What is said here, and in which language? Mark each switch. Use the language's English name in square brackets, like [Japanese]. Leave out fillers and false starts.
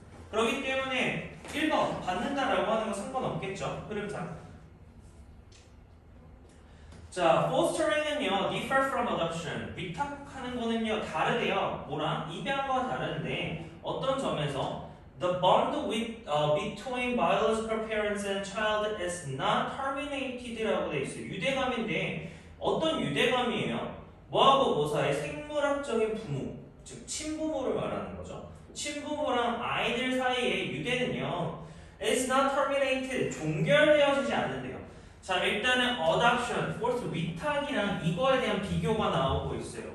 [Korean] 그렇기 때문에 1번 받는다라고 하는 건 상관없겠죠. 흐름상. [English] 자, fostering은요, differ from adoption. [Korean] 위탁하는 거는요, 다르대요. 뭐랑? 입양과 다른데, 어떤 점에서? [English] The bond with, between biological parents and child is not terminated [Korean] 라고 돼 있어요. 유대감인데, 어떤 유대감이에요? 뭐하고 뭐 사이? 생물학적인 부모. 즉, 친부모를 말하는 거죠. 친부모랑 아이들 사이의 유대는요, [English] is not terminated. [Korean] 종결되어지지 않는데요. 자, 일단은 adoption, force, 위탁이랑 이거에 대한 비교가 나오고 있어요.